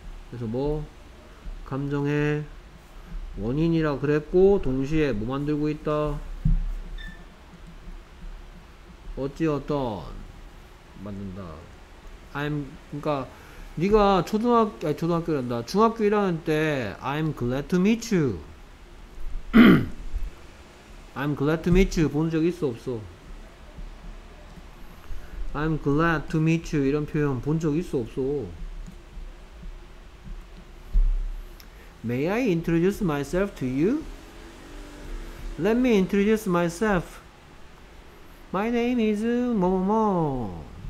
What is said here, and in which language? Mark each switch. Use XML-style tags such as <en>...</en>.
<ko>그래서 뭐 감정의 원인이라 그랬고, 동시에 뭐 만들고 있다, 어찌어떤 만든다. I'm, 그러니까 네가 초등학교, 아니 초등학교란다, 중학교 1학년 때</ko> <en>I'm glad to meet you. I'm glad to meet you</en> <ko>본 적 있어 없어?</ko> <en>I'm glad to meet you</en> <ko>이런 표현 본 적 있어 없어?</ko> <en>May I introduce myself to you? Let me introduce myself. My name is</en> <ko>뭐뭐뭐.</ko>